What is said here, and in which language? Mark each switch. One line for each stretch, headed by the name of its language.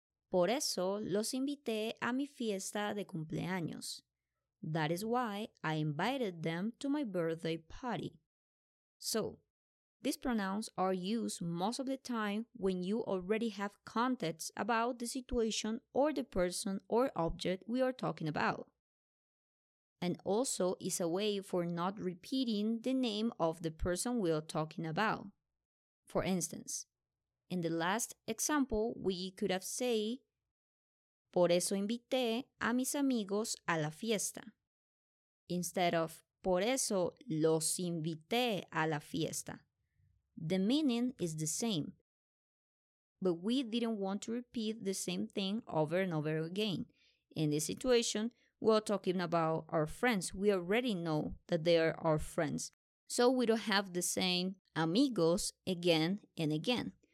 Spanish: Por eso los invité a mi fiesta de cumpleaños.
English: That is why I invited them to my birthday party. So, these pronouns are used most of the time when you already have context about the situation or the person or object we are talking about. And also is a way for not repeating the name of the person we are talking about. For instance, in the last example, we could have said,
Spanish: por eso invité a mis amigos a la fiesta.
English: Instead of,
Spanish: por eso los invité a la fiesta.
English: The meaning is the same, but we didn't want to repeat the same thing over and over again. In this situation, we are talking about our friends. We already know that they are our friends, so we don't have the same amigos again and again.